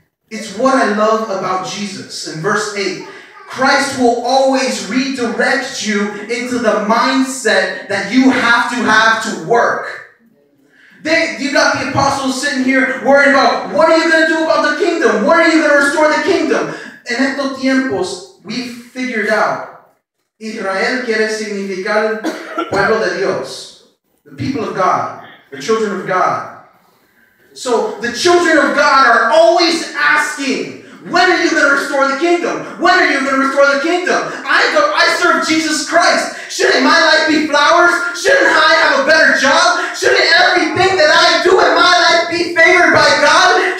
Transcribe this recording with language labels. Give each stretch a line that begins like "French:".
English: It's what I love about Jesus. In verse 8, Christ will always redirect you into the mindset that you have to work. You got the apostles sitting here worrying about, what are you going to do about the kingdom? What are you going to restore the kingdom?
Spanish: En estos tiempos,
English: we figured out,
Spanish: Israel quiere significar pueblo de Dios.
English: The people of God, the children of God. So the children of God are always asking, when are you going to restore the kingdom? When are you going to restore the kingdom? I serve Jesus Christ. Shouldn't my life be flowers? Shouldn't I have a better job? Shouldn't everything that I do in my life be favored by God?